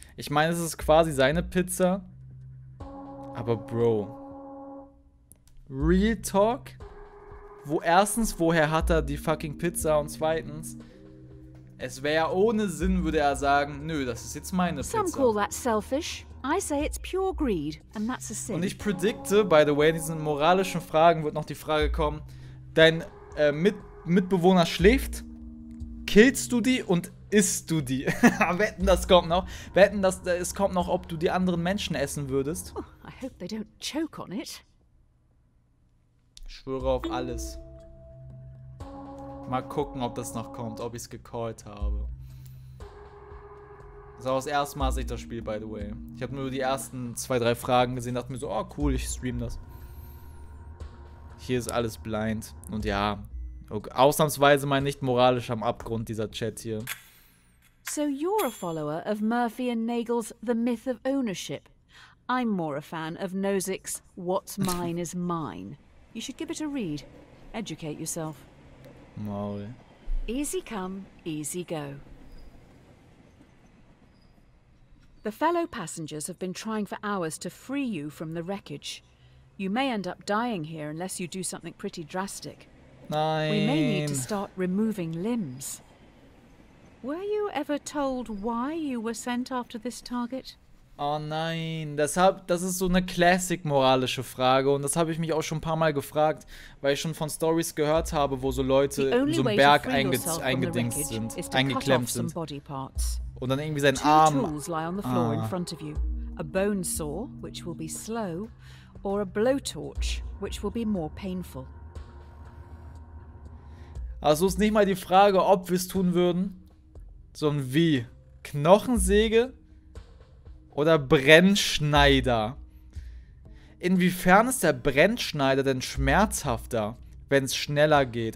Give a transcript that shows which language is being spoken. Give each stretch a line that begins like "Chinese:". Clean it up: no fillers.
German: Ich meine, es ist quasi seine Pizza. Aber Bro,
English: Real Talk?
German: Woher hat er die fucking Pizza? Und zweitens, es wäre ohne Sinn, würde er sagen, nö, das ist jetzt meine Pizza.
English: Some call that selfish. I say it's pure greed, and that's a sin.
German: Und ich predikte,
English: by the way,
German: in diesen moralischen Fragen wird noch die Frage kommen, dein Mitbewohner schläft, killst du die und isst du die? Wetten, das kommt noch. Wetten, dass es kommt noch, ob du die anderen Menschen essen würdest.
English: Oh, I hope they don't choke on it.
German: Schwöre auf alles. Mal gucken, ob das noch kommt, ob ich es gecallt habe. Das war das erste Mal, dass ich das Spiel,
English: by the way.
German: Ich habe nur die ersten zwei, drei Fragen gesehen, dachte mir so, oh cool, ich stream das. Hier ist alles blind. Und ja, okay, ausnahmsweise mal nicht moralisch am Abgrund dieser Chat hier.
English: So you're a follower of Murphy and Nagel's The Myth of Ownership. I'm more a fan of Nozick's What's Mine is Mine. You should give it a read. Educate yourself.
German: Maul.
English: Easy come, easy go. The fellow passengers have been trying for hours to free you from the wreckage. You may end up dying here unless you do something pretty drastic.
German: Nein.
English: We may need to start removing limbs. Were you ever told why you were sent after this target?
German: Oh nein, das ist so eine classic-moralische Frage und das habe ich mich auch schon ein paar Mal gefragt, weil ich schon von Stories gehört habe, wo so Leute in so einem Berg eingedingst sind, eingeklemmt sind. Und dann irgendwie seinen Arm...
English: Two tools lie on the floor in front of you. A bone saw, which will be slow, or a blowtorch, which will be more painful.
German: Also ist nicht mal die Frage, ob wir es tun würden, sondern wie. Knochensäge? Oder Brennschneider? Inwiefern ist der Brennschneider denn schmerzhafter, wenn es schneller geht?